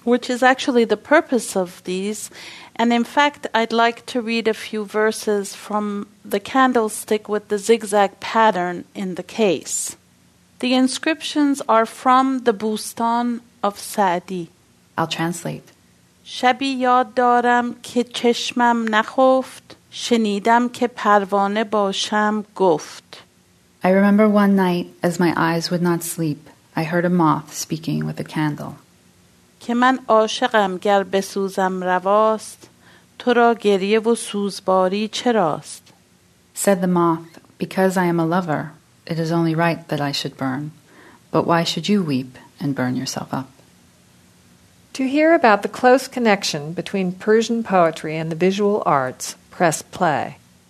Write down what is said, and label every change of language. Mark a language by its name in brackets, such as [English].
[English] Which is actually the purpose of these. And in fact, I'd like to read a few verses from the candlestick with the zigzag pattern in the case. The inscriptions are from the Bustan of Sa'di. I'll translate. [Persian] شبی یاد دارم که چشمم نخفت شنیدم که پروانه باشم گفت. [English] I remember one night, as my eyes would not sleep, I heard a moth speaking with a candle. [Persian] که من عاشقم گر بسوزم رواست تو را گریه و سوزباری چراست. [English] Said the moth, because I am a lover, it is only right that I should burn. But why should you weep and burn yourself up? To hear about the close connection between Persian poetry and the visual arts, press play.